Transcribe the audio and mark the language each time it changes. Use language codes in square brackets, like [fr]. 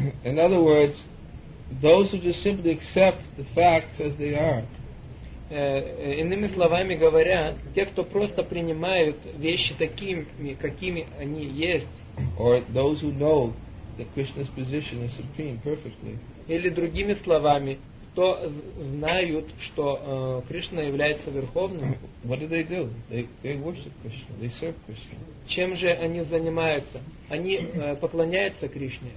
[en] In other words, those who just simply accept the facts as they are. [ru] Иными словами говоря, те, кто просто принимают вещи такими, какими они есть, [en] or those who know that Krishna's position is supreme perfectly. [ru] Или другими словами, кто знают, что Кришна является верховным. [en] What do they do? They worship Krishna. They serve Krishna. [ru] Чем же они занимаются? Они поклоняются Кришне.